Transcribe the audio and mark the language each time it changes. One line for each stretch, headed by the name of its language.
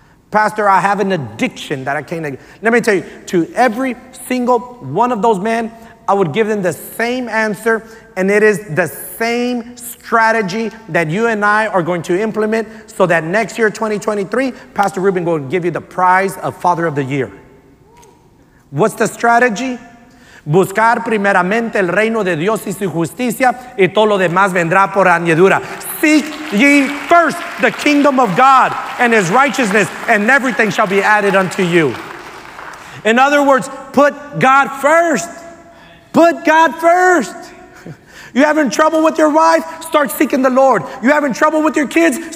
English: Pastor, I have an addiction that I can't. Let me tell you, to every single one of those men, I would give them the same answer, and it is the same strategy that you and I are going to implement so that next year, 2023, Pastor Ruben will give you the prize of Father of the Year. What's the strategy?
Spanish: Buscar primeramente el reino de Dios y su justicia, y todo lo demás vendrá por añadidura.
English: Seek ye first the kingdom of God and his righteousness, and everything shall be added unto you. In other words, put God first. Put God first. You having trouble with your wife? Start seeking the Lord. You having trouble with your kids?